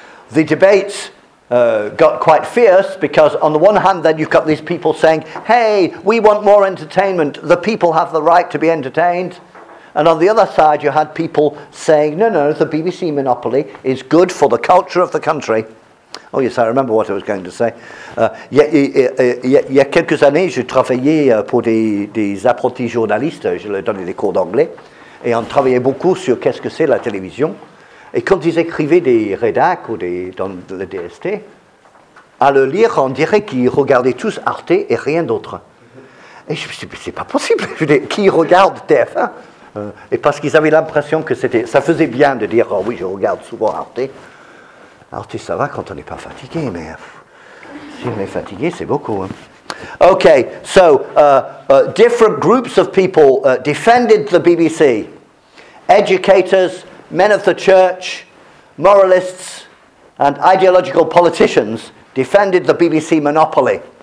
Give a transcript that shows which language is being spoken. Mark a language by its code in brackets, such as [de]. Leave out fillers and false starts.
[en] The debates got quite fierce because on the one hand then you've got these people saying, hey, we want more entertainment, the people have the right to be entertained. And on the other side you had people saying, no, the BBC monopoly is good for the culture of the country. Oh yes, I remember what I was going to say. [fr] Il y a quelques années, je travaillais pour des apprentis journalistes, je leur donnais des cours d'anglais, et on travaillait beaucoup sur qu'est-ce que c'est la télévision. Et quand ils écrivaient des rédacs ou dans le DST, à le lire, on dirait qu'ils regardaient tous Arte et rien d'autre. Et je me suis dit, mais c'est pas possible, qui regarde TF1 Et parce qu'ils avaient l'impression que ça faisait bien de dire, oh oui, je regarde souvent Arte. Arte, ça va quand on n'est pas fatigué, mais si on est fatigué, c'est beaucoup. Hein? [en] Okay, so different groups of people defended the BBC. Educators, men of the church, moralists, and ideological politicians defended the BBC monopoly.